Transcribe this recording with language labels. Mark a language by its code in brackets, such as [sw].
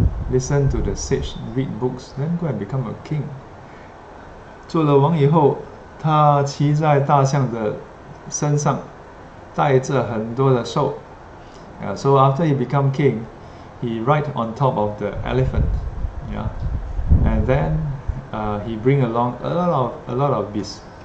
[en] Listen to the sage, read books, then go and become a king. [zh] 做了王以后, 他骑在大象的身上, 带着很多的兽. [en] Yeah, so after he become king, he ride on top of the elephant. Yeah, and then he bring along a lot of beasts.